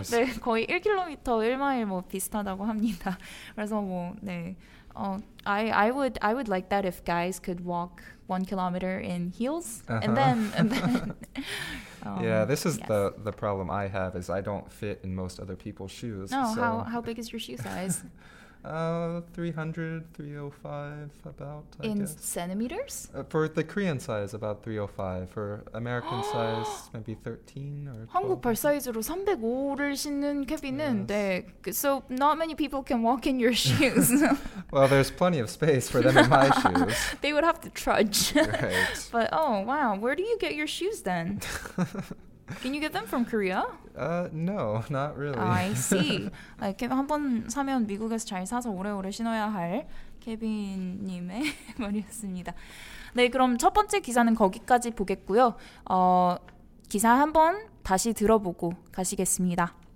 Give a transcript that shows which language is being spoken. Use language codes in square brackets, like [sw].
[ko] 네, 거의 1km 1마일 뭐 비슷하다고 합니다. 그래서 뭐 네. [en] I would like that if guys could walk 1 kilometer in heels. Uh-huh. And then yeah, this is the problem I have is I don't fit in most other people's shoes. No, so. how big is your shoe size? 305 about, I in guess. Centimeters? For the Korean size, about 305. For American size, maybe 13 or 12. [ko] 한국발 사이즈로 305를 신는 케빈은, yes. 네. [en] So not many people can walk in your shoes. Well, there's plenty of space for them in my shoes. They would have to trudge. Right. But, oh, wow, where do you get your shoes then? Can you get them from Korea? No, not really. I see. [ko] Like, 한번 사면 미국에서 잘 사서 오래오래 신어야 할 케빈님의 말이었습니다. 네, 그럼 첫 번째 기사는 거기까지 보겠고요. 기사 한번 다시 들어보고 가시겠습니다.